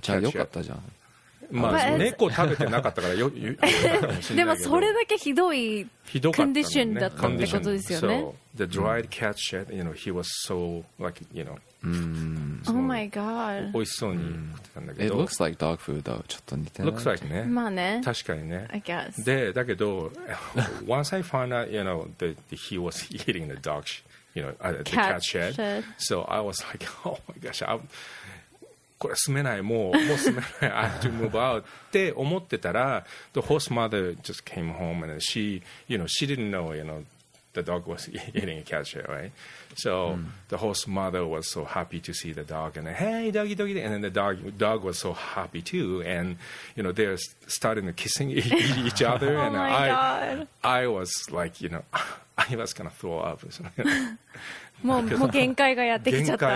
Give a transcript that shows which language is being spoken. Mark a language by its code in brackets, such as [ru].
[ja] じゃあよかったじゃん。まあ、猫食べてなかったからよかったかもしれないけど、でもそれだけひどいコンディションだったってことですよね。 [en] So, the dried cat shit, you know, he was so like, you know, Oh my god, [ja] 美味しそうに食ってたんだけど、 [en] It looks like dog food though, [ja] ちょっと似てない、 [en] Looks like ね、 [ja] まあね、確かにね、 [en] I guess. [ja] で、だけど、 [en] Once I found out, you know, that he was eating the dog shit, you know, the cat shit, So I was like, oh my gosh, I'm [ja] これ住めない、もう住めない、 [en] I have to move out [ja] って思ってたら、 [en] the host mother just came home and she, you know, she didn't know, you know, the dog was eating a cat shit, right? So the host mother was so happy to see the dog and hey, doggy, doggy, and then the dog was so happy too, and you know, they're starting to kissing each other, oh and I was like, you know, I was gonna throw up. [ja] もう限界がやってきちゃった。